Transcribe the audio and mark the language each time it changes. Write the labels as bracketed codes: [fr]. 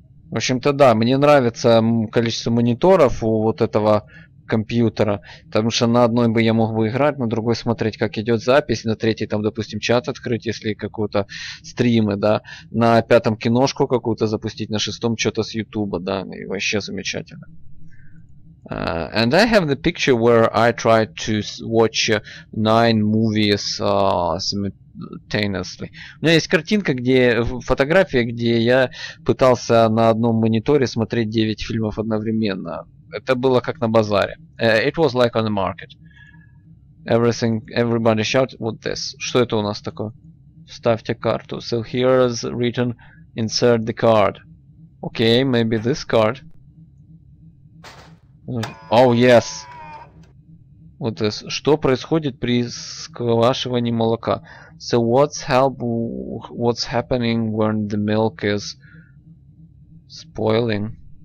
[ru] В общем-то, да, мне нравится количество мониторов у вот этого компьютера, потому что на одной бы я мог бы играть, на другой смотреть, как идет запись, на третьей там, допустим, чат открыть, если какую-то стримы, да, на пятом киношку какую-то запустить, на шестом что-то с Ютуба, да, и вообще замечательно. [en] And I have the picture where I tried to watch 9 movies simultaneously. [ru] У меня есть картинка, где фотография, где я пытался на одном мониторе смотреть 9 фильмов одновременно. Это было как на базаре. [en] It was like on the market. Everything, everybody shout what this. [ru] Что это у нас такое? Вставьте карту. [en] So here is written insert the card. Okay, maybe this card. Oh yes. [ru] Вот это. Что происходит при сквашивании молока? [en] So what's happening when the milk is spoiling?